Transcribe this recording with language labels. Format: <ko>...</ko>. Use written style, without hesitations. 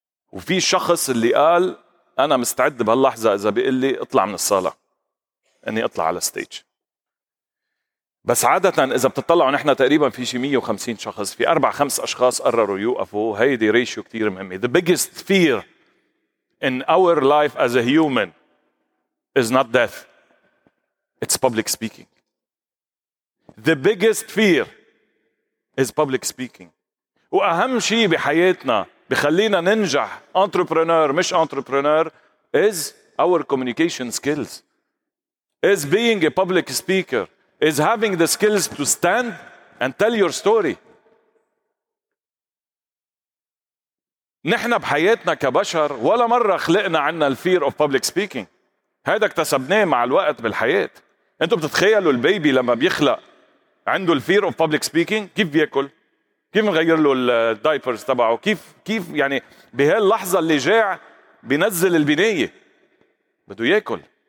<ar>وفي شخص اللي قال أنا مستعد بهاللحظة إذا بيقول لي اطلع من الصالة إني اطلع على ستيج. بس عادة إذا بتطلعوا نحن تقريبا في شي 150 شخص في 4-5 أشخاص قرروا يوقفوا. هيدي ريشيو كتير مهمة.</ar> <en>The biggest fear in our life as a human is not death. It's public speaking. The biggest fear is public speaking.</en> <ar>وأهم شي بحياتنا بخلينا ننجح entrepreneur مش entrepreneur</ar> <en>is our communication skills. Is being a public speaker. Is having the skills to stand and tell your story.</en> <ar>نحن بحياتنا كبشر ولا مرة خلقنا عنا الـ</ar> <en>fear of public speaking.</en> <ar>هذا اكتسبناه مع الوقت بالحياة. انتو بتتخيلوا البيبي لما بيخلق عنده الـ</ar> <en>fear of public speaking</en> <ar>كيف بيأكل؟ كيف بغير له الدايبرز تبعه؟ كيف يعني بهاللحظة اللي جاع بينزل البناية بده يأكل.</ar>